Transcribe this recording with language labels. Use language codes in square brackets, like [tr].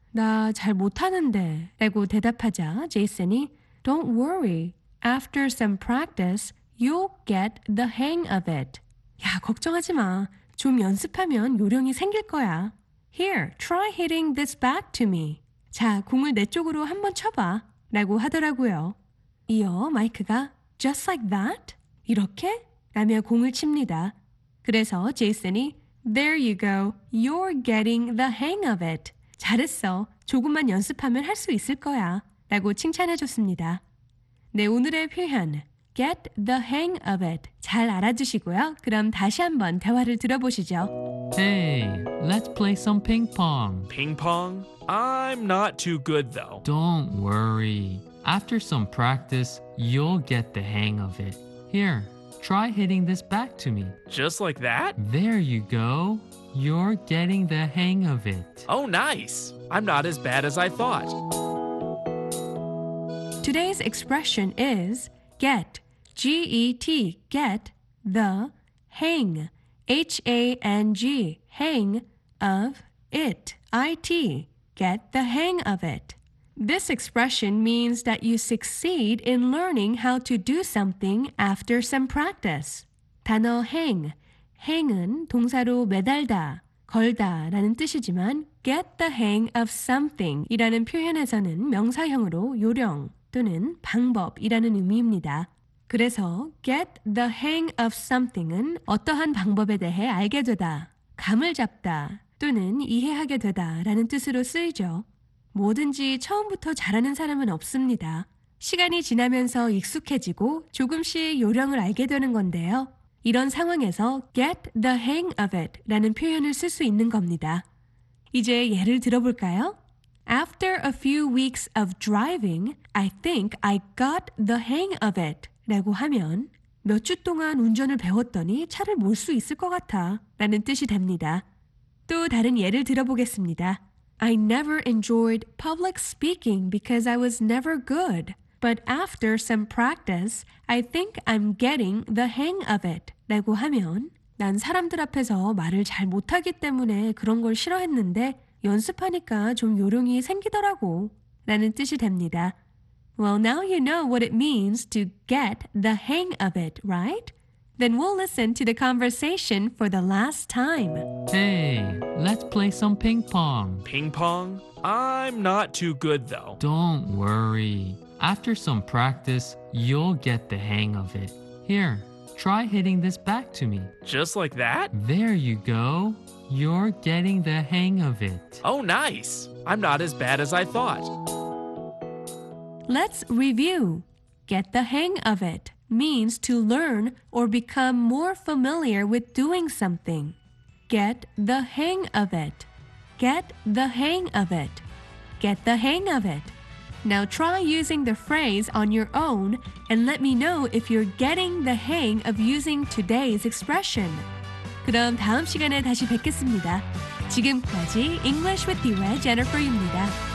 [ko] 나 잘 못하는데 라고 대답하자 제이슨이 [en] Don't worry. After some practice, you'll get the hang of it. [ko] 야, 걱정하지 마. 좀 연습하면 요령이 생길 거야. [en] Here, try hitting this back to me. [ko] 자, 공을 내 쪽으로 한번 쳐봐 라고 하더라고요. 이어 마이크가 [en] Just like that? [ko] 이렇게? 라며 공을 칩니다. 그래서 제이슨이 [en] There you go. You're getting the hang of it. [ko] 잘했어. 조금만 연습하면 할 수 있을 거야. 라고 칭찬해줬습니다. 네, 오늘의 표현 [en] Get the hang of it. [ko] 잘 알아두시고요. 그럼 다시 한번 대화를 들어보시죠. [en] Hey, let's play some ping pong. Ping pong? I'm not too good though. Don't worry. After some practice, you'll get the hang of it. Here. Try hitting this back to me. Just like that? There you go. You're getting the hang of it. Oh, nice. I'm not as bad as I thought. Today's expression is get, G-E-T, get the hang, H-A-N-G, hang of it, I-T, get the hang of it. This expression means that you succeed in learning how to do something after some practice. [ko] 단어 hang, hang은 동사로 매달다, 걸다 라는 뜻이지만 [en] get the hang of something [ko] 이라는 표현에서는 명사형으로 요령 또는 방법이라는 의미입니다. 그래서 [en] get the hang of something [ko] 은 어떠한 방법에 대해 알게 되다, 감을 잡다 또는 이해하게 되다 라는 뜻으로 쓰이죠. 뭐든지 처음부터 잘하는 사람은 없습니다. 시간이 지나면서 익숙해지고 조금씩 요령을 알게 되는 건데요. 이런 상황에서 [en] get the hang of it [ko] 라는 표현을 쓸 수 있는 겁니다. 이제 예를 들어볼까요? [en] After a few weeks of driving, I think I got the hang of it [ko] 라고 하면 몇 주 동안 운전을 배웠더니 차를 몰 수 있을 것 같아 라는 뜻이 됩니다. 또 다른 예를 들어보겠습니다. [en] I never enjoyed public speaking because I was never good. But after some practice, I think I'm getting the hang of it. [ko] 라고 하면 난 사람들 앞에서 말을 잘 못하기 때문에 그런 걸 싫어했는데 연습하니까 좀 요령이 생기더라고 라는 뜻이 됩니다. [en] Well, now you know what it means to get the hang of it, right? Then we'll listen to the conversation for the last time. Hey, let's play some ping pong. Ping pong? I'm not too good though. Don't worry. After some practice, you'll get the hang of it. Here, try hitting this back to me. Just like that? There you go. You're getting the hang of it. Oh, nice. I'm not as bad as I thought. Let's review. Get the hang of it. Means to learn or become more familiar with doing something. Get the hang of it. Get the hang of it. Get the hang of it. Now try using the phrase on your own and let me know if you're getting the hang of using today's expression. [ko] 그럼 다음 시간에 다시 뵙겠습니다. 지금까지 English with Dee Wei, Jennifer입니다.